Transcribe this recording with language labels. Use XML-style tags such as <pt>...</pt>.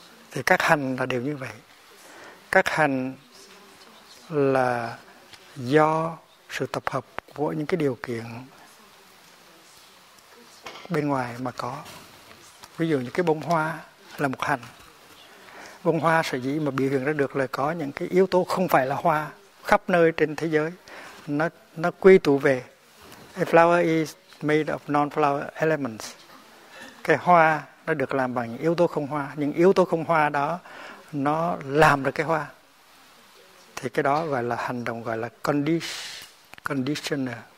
<vi>Thì các hành là đều như vậy. Các hành là do sự tập hợp của những cái điều kiện bên ngoài mà có. Ví dụ như cái bông hoa là một hành. Bông hoa sở dĩ mà biểu hiện ra được là có những cái yếu tố không phải là hoa khắp nơi trên thế giới. Nó quy tụ về.</vi> <en>A flower is made of non-flower elements.</en> <vi>cái hoa nó được làm bằng yếu tố không hoa, nhưng yếu tố không hoa đó nó làm được cái hoa. Thì cái đó gọi là hành động, gọi là conditioning.</vi>